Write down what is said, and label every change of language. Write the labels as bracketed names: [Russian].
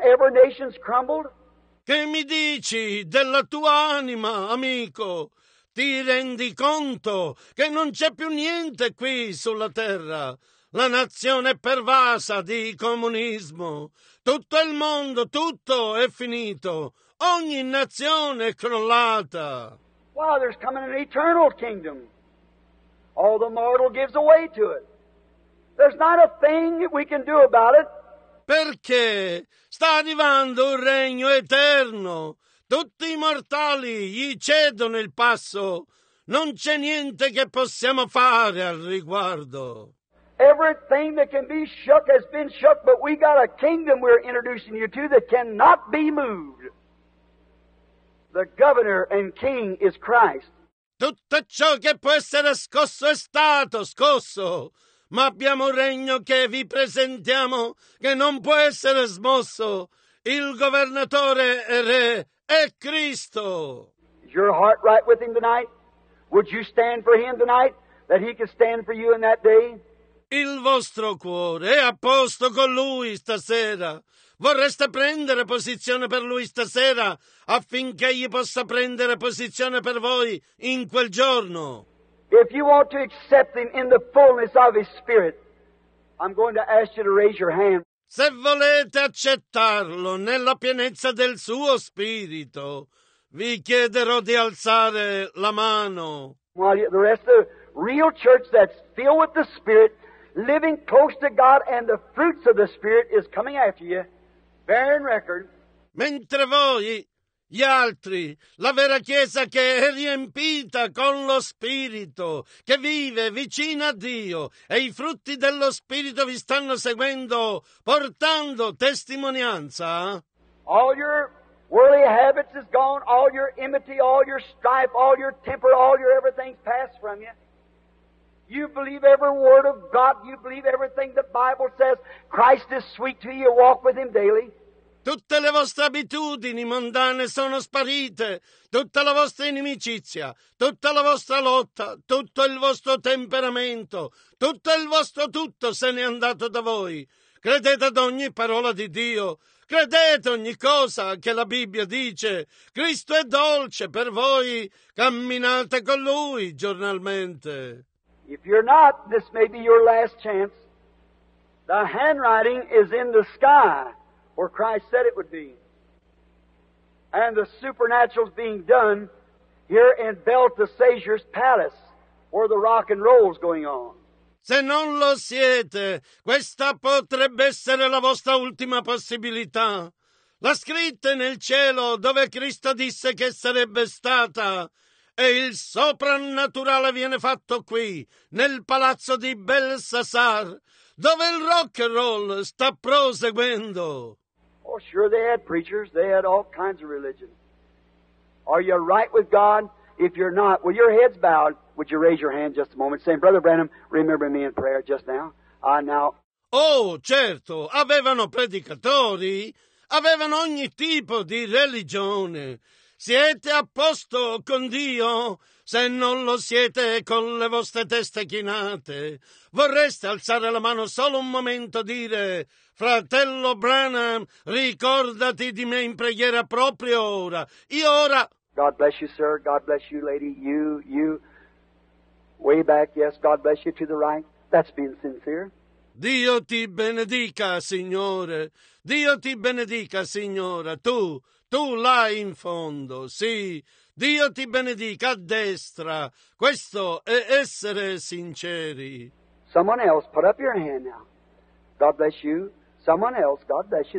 [English] Every nation's crumbled. [Italian] Che mi dici della tua anima, amico? Ti rendi conto che non c'è più niente qui sulla terra? La nazione è pervasa di comunismo. Tutto il mondo, tutto è finito. Ogni nazione è crollata. [English] Wow, there's coming an eternal kingdom. All the mortal gives away to it. There's not a thing that we can do about it. [Italian] Perché sta arrivando un regno eterno. Tutti i mortali gli cedono il passo. Non c'è niente che possiamo fare al riguardo. [English] Everything that can be shook has been shook, but we got a kingdom we're introducing you to that cannot be moved. The governor and king is Christ. [Italian] Tutto ciò che può essere scosso è stato scosso. Ma abbiamo un regno che vi presentiamo che non può essere smosso. Il governatore e re è Cristo. [English] Is your heart right with him tonight? Would you stand for him tonight, that he could stand for you in that day? [Italian] Il vostro cuore è a posto con lui stasera. Vorreste prendere posizione per lui stasera affinché egli possa prendere posizione per voi in quel giorno? [English] If you want to accept him in the fullness of his spirit, I'm going to ask you to raise your hand. [Italian] Se volete accettarlo nella pienezza del suo spirito, vi chiederò di alzare la mano. [English] While the rest of the real church that's filled with the spirit, living close to God and the fruits of the spirit is coming after you, bearing record. [Italian] Mentre voi, gli altri, la vera Chiesa che è riempita con lo Spirito, che vive vicino a Dio, e i frutti dello Spirito vi stanno seguendo, portando testimonianza. [English] All your worldly habits is gone, all your enmity, all your strife, all your temper, all your everything's passed from you. You believe every word of God, you believe everything the Bible says, Christ is sweet to you, walk with him daily. [Italian] Tutte le vostre abitudini mondane sono sparite, tutta la vostra inimicizia, tutta la vostra lotta, tutto il vostro temperamento, tutto il vostro tutto se n'è andato da voi. Credete ad ogni parola di Dio, credete ogni cosa che la Bibbia dice. Cristo è dolce per voi, camminate con Lui giornalmente. [English] If you're not, this may be your last chance. The handwriting is in the sky. Or Christ said it would be. And the supernatural is being done here in Belteshazzar's palace, where the rock and roll is going on. [Italian] Se non lo siete, questa potrebbe essere la vostra ultima possibilità. La scritta nel cielo dove Cristo disse che sarebbe stata, e il soprannaturale viene fatto qui, nel palazzo di Belsasar, dove il rock and roll sta proseguendo. [English] Oh, sure, they had preachers. They had all kinds of religion. Are you right with God? If you're not, well, your head's bowed, would you raise your hand just a moment, saying, Brother Branham, remember me in prayer just now. [Italian] Oh, certo, avevano predicatori, avevano ogni tipo di religione. Siete a posto con Dio? Se non lo siete con le vostre teste chinate, vorreste alzare la mano solo un momento e dire, fratello Branham, ricordati di me in preghiera proprio ora. Io ora... [English] God bless you, sir. God bless you, lady. You, way back, yes, God bless you to the right. That's being sincere. [Italian] Dio ti benedica, signore. Dio ti benedica, signora. Tu là in fondo, sì. Dio ti benedica a destra. Questo è essere sinceri. [English] Someone else, put up your hand now. God bless you. Someone else, God bless you.